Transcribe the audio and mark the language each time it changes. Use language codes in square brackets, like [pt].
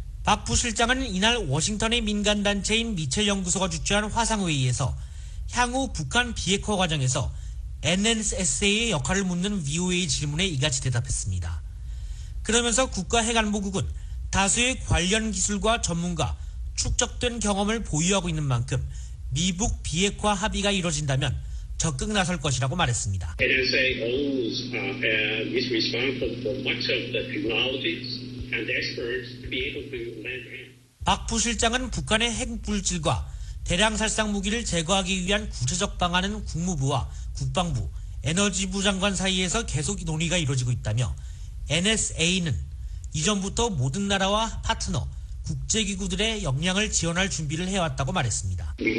[ko] 박 부실장은 이날 워싱턴의 민간단체인 미첼연구소가 주최한 화상회의에서 향후 북한 비핵화 과정에서 NSSA의 역할을 묻는 VOA 질문에 이같이 대답했습니다. 그러면서 국가핵안보국은 다수의 관련 기술과 전문가, 축적된 경험을 보유하고 있는 만큼 미북 비핵화 합의가 이뤄진다면 적극 나설 것이라고 말했습니다. [en] NSA owns and is responsible for much of the technologies and experts to be able to land. [ko] 박 부실장은 북한의 핵 물질과 대량 살상 무기를 제거하기 위한 구체적 방안은 국무부와 국방부, 에너지부 장관 사이에서 계속 논의가 이루어지고 있다며 NSA는 이전부터 모든 나라와 파트너, 국제기구들의 역량을 지원할 준비를 해왔다고 말했습니다.